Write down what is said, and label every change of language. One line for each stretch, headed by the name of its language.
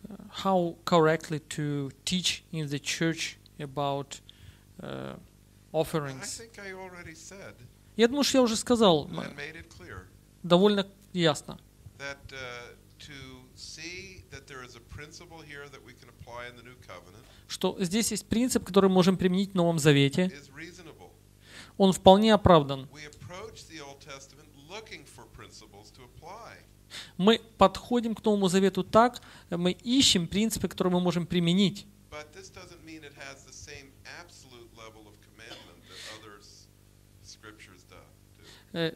English: How correctly to teach in the church about offerings? I think I already said.
Russian: Я думаю, что я уже сказал. Довольно ясно.
English: That to see that there is a principle here that we can apply in the new covenant.
Russian: Что здесь есть принцип, который можем применить в Новом Завете.
English: Is reasonable.
Russian: Он вполне оправдан.
English: We approach the Old Testament looking for principles to apply.
Russian: Мы подходим к Новому Завету так, мы ищем принципы, которые мы можем применить.
English: But this doesn't mean it has the same absolute level of commandment that other scriptures do.